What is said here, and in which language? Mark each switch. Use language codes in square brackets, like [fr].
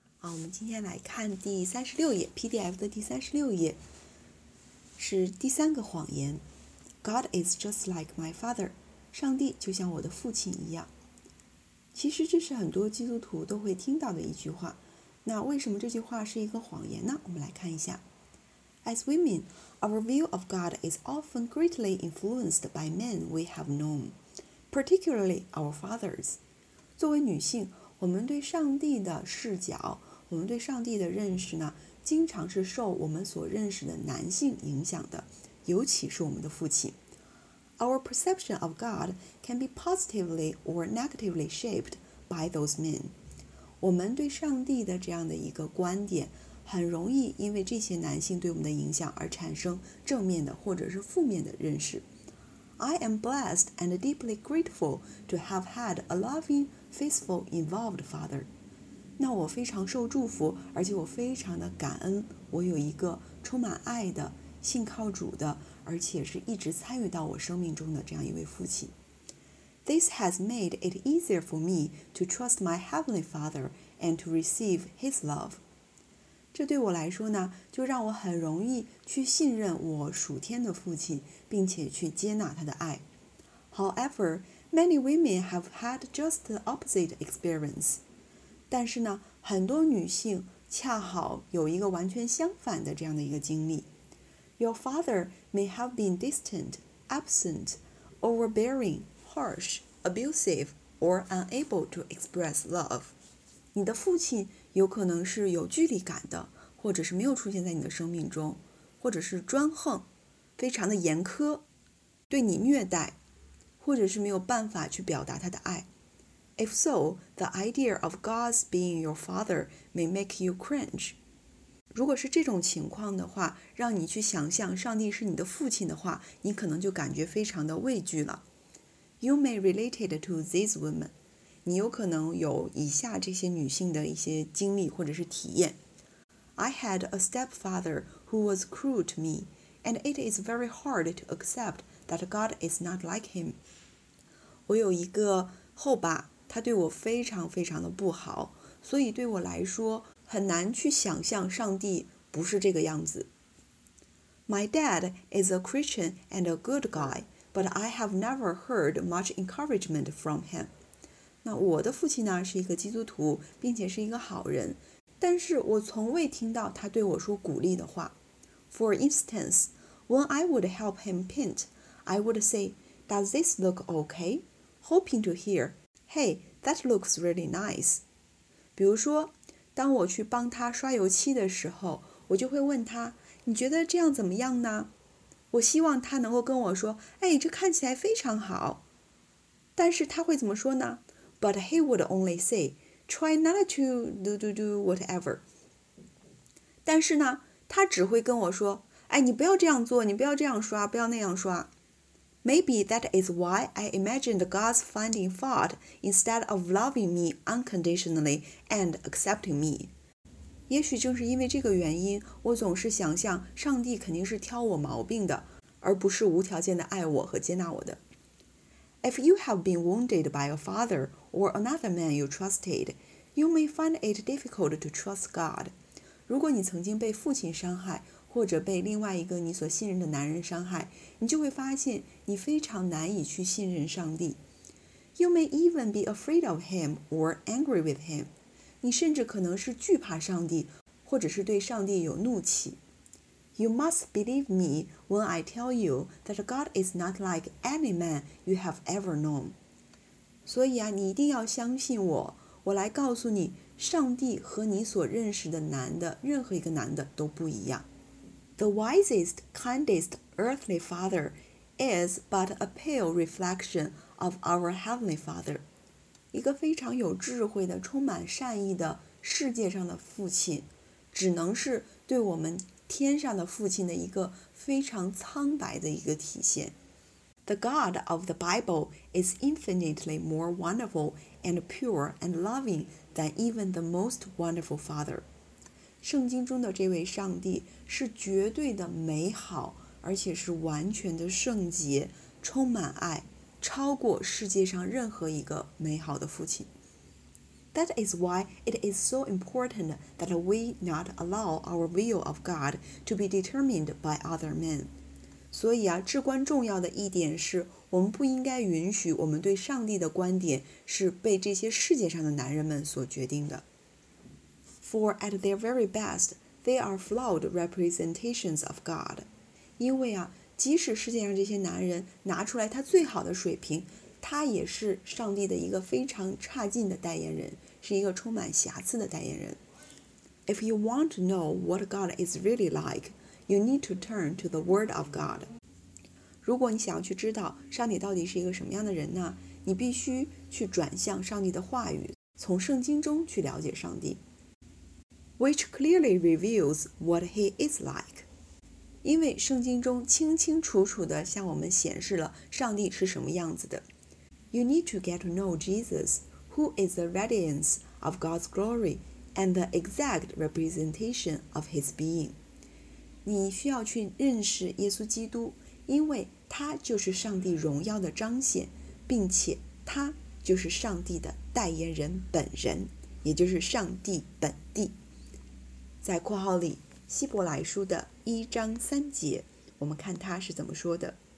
[zh] 我们今天来看第三十六页 PDF 的第三十六页，是第三个谎言。 [en] God is just like my father. [zh] 上帝就像我的父亲一样。其实这是很多基督徒都会听到的一句话。那为什么这句话是一个谎言呢？我们来看一下。 [en] As women, our view of God is often greatly influenced by men we have known, particularly our fathers. [zh] 作为女性，我们对上帝的视角，我们对上帝的认识呢，经常是受我们所认识的男性影响的，尤其是我们的父亲。 [en] Our perception of God can be positively or negatively shaped by those men. [zh] 我们对上帝的这样的一个观点，很容易因为这些男性对我们的影响而产生正面的或者是负面的认识。 [en] I am blessed and deeply grateful to have had a loving, faithful, involved father. [zh] 那我非常受祝福，而且我非常的感恩，我有一个充满爱的、信靠主的，而且是一直参与到我生命中的这样一位父亲。 [en] This has made it easier for me to trust my heavenly father and to receive his love. [zh] 这对我来说呢，就让我很容易去信任我属天的父亲，并且去接纳他的爱。 [en] However, many women have had just the opposite experience. [zh] 但是呢，很多女性恰好有一个完全相反的这样的一个经历。 [en] Your father may have been distant, absent, overbearing, harsh, abusive, or unable to express love. [zh] 你的父亲有可能是有距离感的，或者是没有出现在你的生命中，或者是专横，非常的严苛，对你虐待，或者是没有办法去表达他的爱。 [en] If so, the idea of God's being your father may make you cringe. [zh] 如果是这种情况的话，让你去想象上帝是你的父亲的话，你可能就感觉非常的畏惧了。 [en] You may relate it to these women. [zh] 你有可能有以下这些女性的一些经历或者是体验。 [en] I had a stepfather who was cruel to me, and it is very hard to accept that God is not like him. [zh] 我有一个后爸，他对我非常非常的不好，所以对我来说很难去想象上帝不是这个样子。 [en] My dad is a Christian and a good guy, but I have never heard much encouragement from him. [zh] 那我的父亲呢，是一个基督徒，并且是一个好人，但是我从未听到他对我说鼓励的话。 [en] For instance, when I would help him paint, I would say, Does this look okay? Hoping to hear, Hey, that looks really nice. [zh] 比如说当我去帮他刷油漆的时候，我就会问他，你觉得这样怎么样呢？我希望他能够跟我说，哎，这看起来非常好。但是他会怎么说呢？ [en] But he would only say, try not to do do do whatever. [zh] 但是呢，他只会跟我说，哎，你不要这样做，你不要这样刷，不要那样刷。 [en] Maybe that is why I imagined God's finding fault instead of loving me unconditionally and accepting me. [zh] 也许正是因为这个原因，我总是想象上帝肯定是挑我毛病的，而不是无条件的爱我和接纳我的。 [en] If you have been wounded by a father or another man you trusted, you may find it difficult to trust God. [zh] 如果你曾经被父亲伤害，或者被另外一个你所信任的男人伤害，你就会发现你非常难以去信任上帝。 [en] You may even be afraid of him or angry with him. [zh] 你甚至可能是惧怕上帝，或者是对上帝有怒气。 [en] You must believe me when I tell you that God is not like any man you have ever known. [zh] 所以啊，你一定要相信我，我来告诉你，上帝和你所认识的男的，任何一个男的都不一样。 [en] The wisest, kindest earthly father is but a pale reflection of our heavenly father. [zh] 一个非常有智慧的、充满善意的世界上的父亲，只能是对我们天上的父亲的一个非常苍白的一个体现。 [en] The God of the Bible is infinitely more wonderful and pure and loving than even the most wonderful father. [zh] 圣经中的这位上帝是绝对的美好，而且是完全的圣洁，充满爱，超过世界上任何一个美好的父亲。 [en] That is why it is so important that we not allow our view of God to be determined by other men. [zh] 所以啊，至关重要的一点是，我们不应该允许我们对上帝的观点是被这些世界上的男人们所决定的。 [en] For at their very best, they are flawed representations of God. [zh] 因为啊，即使世界上这些男人拿出来他最好的水平，他也是上帝的一个非常差劲的代言人，是一个充满瑕疵的代言人。 [en] If you want to know what God is really like, you need to turn to the Word of God. [zh] 如果你想要去知道上帝到底是一个什么样的人呢，你必须去转向上帝的话语，从圣经中去了解上帝。 [en] Which clearly reveals what he is like. [zh] 因为圣经中清清楚楚地向我们显示了上帝是什么样子的。 [en] You need to get to know Jesus, who is the radiance of God's glory and the exact representation of his being. [zh] 你需要去认识耶稣基督，因为他就是上帝荣耀的彰显，并且他就是上帝的代言人本人，也就是上帝本地。在括号里，希伯来书的一章三节，我们看他是怎么说的。